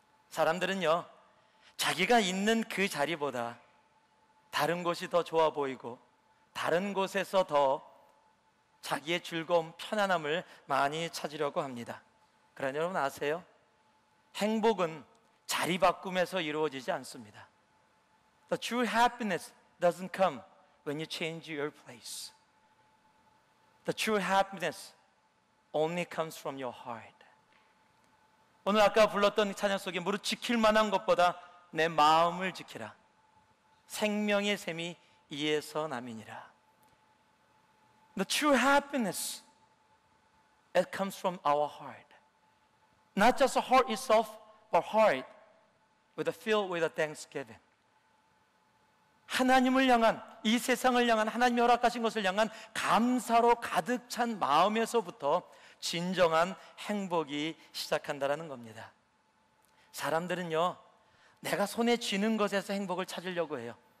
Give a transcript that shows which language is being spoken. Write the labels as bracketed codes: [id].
[ko] 사람들은요, 자기가 있는 그 자리보다 다른 곳이 더 좋아 보이고 다른 곳에서 더 자기의 즐거움, 편안함을 많이 찾으려고 합니다. 그러나 여러분 아세요? 행복은 자리 바꿈에서 이루어지지 않습니다. [en] The true happiness doesn't come when you change your place. The true happiness only comes from your heart. [ko] 오늘 아까 불렀던 찬양 속에 무릇 지킬 만한 것보다 내 마음을 지키라. 생명의 셈이 이에서 남이니라. [en] The true happiness, it comes from our heart. Not just the heart itself, but heart with a filled with a thanksgiving. [ko] 하나님을 향한, 이 세상을 향한, 하나님이 허락하신 것을 향한 감사로 가득 찬 마음에서부터 진정한 행복이 시작한다라는 겁니다. 사람들은요, 내가 손에 쥐는 것에서 행복을 찾으려고 해요.